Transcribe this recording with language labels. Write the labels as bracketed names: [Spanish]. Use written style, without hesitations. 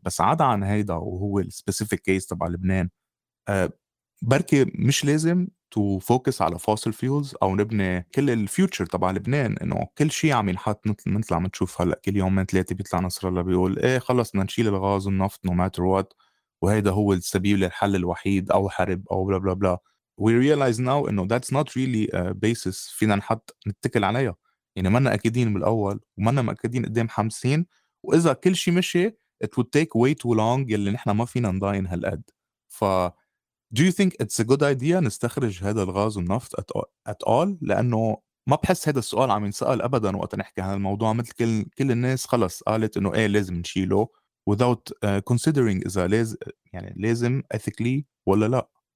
[Arabic] بس عدا عن هيدا وهو [English] السبيسيفيك كيس [Arabic] تبع لبنان، بركي مش لازم [English] to focus [Arabic] على [English] fossil fuels [Arabic] أو نبني كل الفيوتشر تبع لبنان، إنه كل شيء عم ينحط مثل عم تشوف هلأ كل يوم من ثلاثة بيطلع نصر الله بيقول إيه خلص بدنا نشيل الغاز والنفط [English] no matter what, [Arabic] وهيدا هو السبيل للحل الوحيد أو حرب أو بلا بلا بلا. [English] We realize now [Arabic] إنه [English] that's not really a basis [Arabic] فينا نحط نتكل عليها. يعني ما نأكدين بالأول وما نأكدين قدام 50، وإذا كل شيء مشي [English] it would take way too long [Arabic] يلي نحنا ما فينا نضاين هالقد. ف [English] do you think it's a good idea [Arabic] نستخرج هذا الغاز والنفط [English] at all؟ [Arabic] لأنه ما بحس هذا السؤال عم ينسأل أبدا وقت نحكي عن الموضوع، مثل كل الناس خلص قالت إنه إيه لازم نشيله [English] without considering [Arabic] إذا لازم، يعني لازم ethically ولا لا.